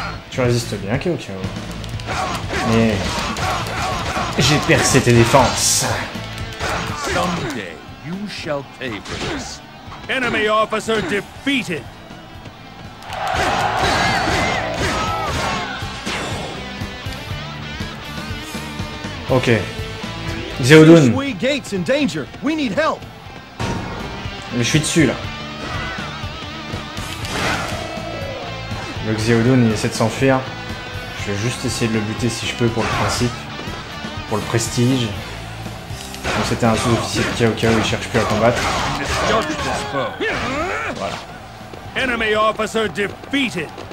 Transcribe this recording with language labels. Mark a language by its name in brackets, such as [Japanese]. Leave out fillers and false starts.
[French] Tu résistes bien, Kao Kao. Mais j'ai percé tes défenses. [English] Someday you shall pay for this. Enemy officer defeated. Okay. Zeodun. We gates in danger. We need help. [French] Je suis dessus là. Le Zeodun il essaie de s'enfuir. Je vais juste essayer de le buter si je peux pour le principe, pour le prestige. C'était un sous-officier de Kao Kao, il cherche plus à combattre. Voilà. [English] Enemy officer defeated.